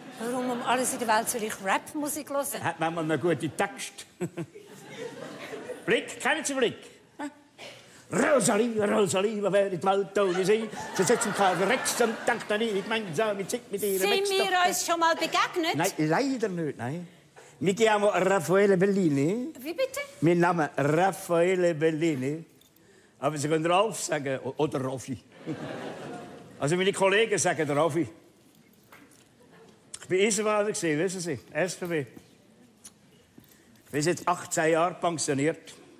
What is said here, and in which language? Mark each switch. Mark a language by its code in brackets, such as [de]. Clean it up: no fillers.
[de] Warum um alles in der Welt soll ich Rapmusik hören? Hat man mal einen guten Text. Blick, kennen Sie Blick? Rosalie, Rosalie, wer in die Welt ohne sie? Sie sitzt im Kahn rechts und denkt an ihn, ich meine, so, mit ihr. Sind wir uns schon mal begegnet? Nein, leider nicht, nein. [it] Mi chiamo Raffaele Bellini. [de] Wie bitte? Mein Name Raffaele Bellini. Aber Sie können Rolf sagen, oder Raffi. Also meine Kollegen sagen Raffi. Ich war Eisenbahner, wissen Sie, SVW. Ich bin seit 18 Jahren pensioniert.